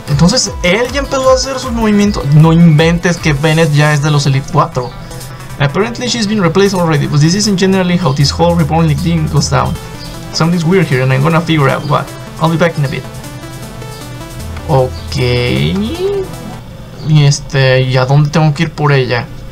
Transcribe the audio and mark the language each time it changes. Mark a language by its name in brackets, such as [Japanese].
[Spanish] Entonces, él ya empezó a hacer sus movimientos. No inventes que Bennett ya es de los Elite Four. [English] Apparently, she's been replaced already, but this isn't generally how this whole reporting thing goes down. Something's weird here, and I'm gonna figure out what. I'll be back in a bit. Ok. [Spanish] Y ¿y a dónde tengo que ir por ella?